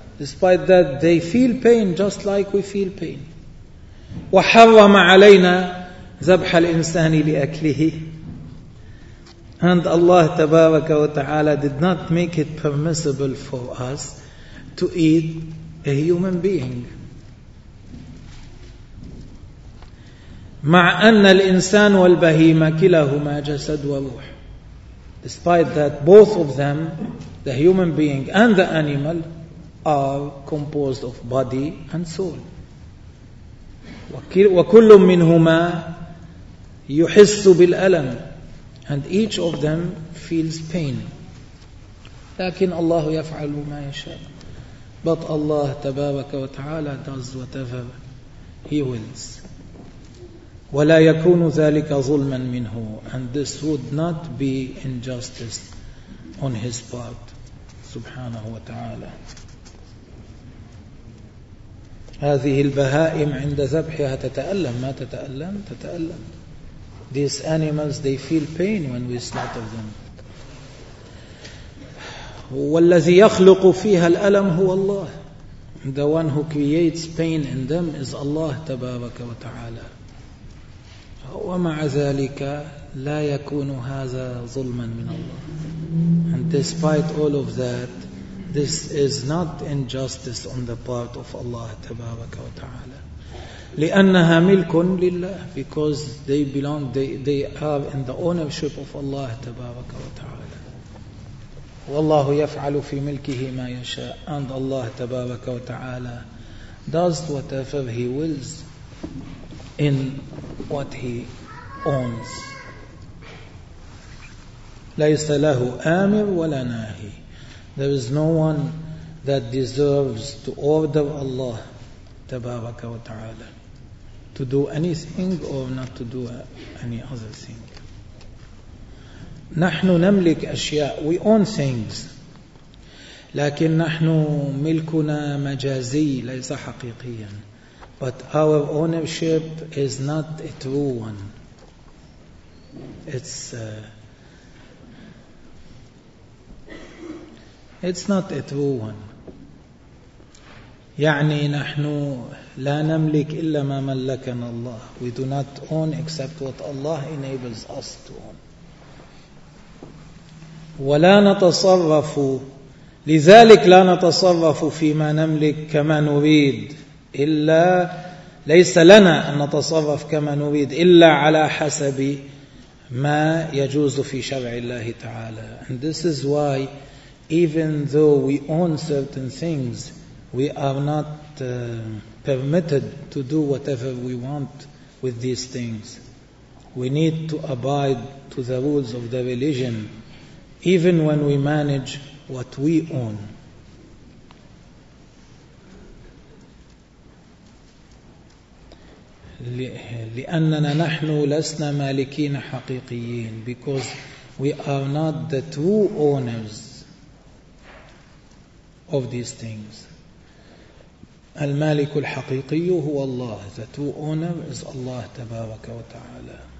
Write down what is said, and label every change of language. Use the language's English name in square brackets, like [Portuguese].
[English] Despite that, they feel pain just like we feel pain. [Arabic] وحرم علينا ذبح الإنسان لأكله. [English] And Allah تبارك وتعالى did not make it permissible for us to eat a human being. [Arabic] مع أن الإنسان والبهيمة كلاهما جسد وروح. [English] Despite that, both of them, the human being and the animal, are composed of body and soul. [Arabic] وكل منهما يحس بالألم. [English] And each of them feels pain. [Arabic] لكن الله يفعل ما يشاء. [English] But Allah تبارك وتعالى does whatever He wills. [Arabic] ولا يكون ذلك ظلما منه. [English] And this would not be injustice on His part. [Arabic] سبحانه وتعالى. هذه البهائم عند ذبحها تتألم. ما تتألم؟ تتألم. [English] These animals, they feel pain when we slaughter them. [Arabic] والذي يخلق فيها الألم هو الله. [English] The one who creates pain in them is Allah تبارك وتعالى. [Arabic] ومع ذلك لا يكون هذا ظلما من الله. [English] And despite all of that, this is not injustice on the part of Allah تبارك وتعالى. [Arabic] لأنها ملك لله. [English] Because they belong, they are in the ownership of Allah تبارك وتعالى. [Arabic] والله يفعل في ملكه ما يشاء. [English] And Allah تبارك وتعالى does whatever He wills in what He owns. [Arabic] ليس له آمر ولا ناهي. [English] There is no one that deserves to order Allah tabaraka wa ta'ala. To do anything or not to do any other thing. [Arabic] نحن نملك أشياء. [English] We own things. [Arabic] لكن نحن ملكنا مجازي ليس حقيقيا. [English] But our ownership is not a true one. It's not a true one. [Arabic] يعني نحن لا نملك إلا ما ملكنا الله. [English] We do not own except what Allah enables us to own. [Arabic] ولا نتصرف لذلك لا نتصرف فيما نملك كما نريد إلا ليس لنا أن نتصرف كما نريد إلا على حسب ما يجوز في شرع الله تعالى. [English] And this is why even though we own certain things, we are not permitted to do whatever we want with these things. We need to abide to the rules of the religion even when we manage what we own. [Arabic] لأننا نحن لسنا مالكين حقيقيين. [English] Because we are not the true owners of these things. [Arabic] المالك الحقيقي هو الله. [English] The true owner is Allah تبارك وتعالى.